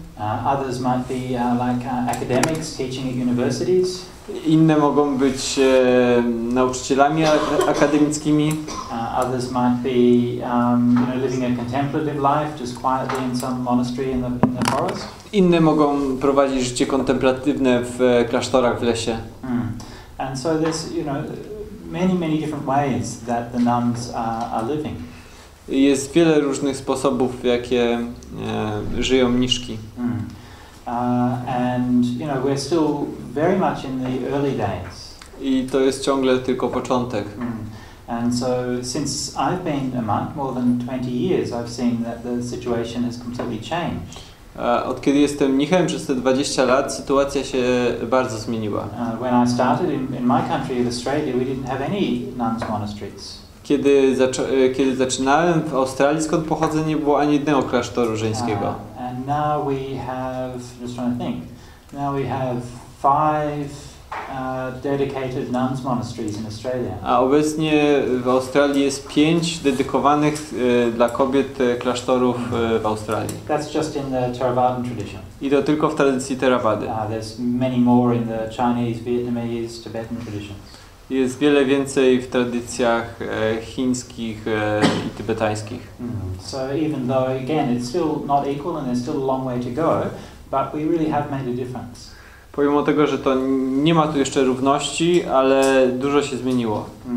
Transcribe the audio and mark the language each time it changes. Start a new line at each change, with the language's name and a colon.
English: Others might be like academics teaching at universities.
Polish: Inne mogą być nauczycielami akademickimi.
English: Others might be living a contemplative life just quietly in some monastery in the forest.
Polish: Inne mogą prowadzić życie kontemplatywne w klasztorach w lesie.
English: And so this, many different ways that the nuns are living.
Polish: Jest wiele różnych sposobów, w jakie żyją mniszki.
English: And we're still very much in the early days.
Polish: I to jest ciągle tylko początek.
English: And so since I've been a monk more than 20 years, I've seen that the situation has completely changed.
Polish: Od kiedy jestem mnichem, przez te 20 lat, sytuacja się bardzo zmieniła.
English: When I started in my country of Australia, we didn't have any nuns monasteries.
Polish: Kiedy zaczynałem w Australii, skąd pochodzę, nie było ani jednego klasztoru żeńskiego.
English: And now we have, just trying to think, now we have five, dedicated nuns monasteries in Australia.
Polish: A obecnie w Australii jest 5 dedykowanych dla kobiet klasztorów w Australii.
English: That's just in the Theravadan tradition.
Polish: I to tylko w tradycji Theravady.
English: There's many more in the Chinese, Vietnamese, Tibetan traditions.
Polish: Jest wiele więcej w tradycjach chińskich i tybetańskich.
English: So even though again it's still not equal and there's still a long way to go, but we really have made a difference.
Polish: Pomimo tego, że to nie ma tu jeszcze równości, ale dużo się zmieniło.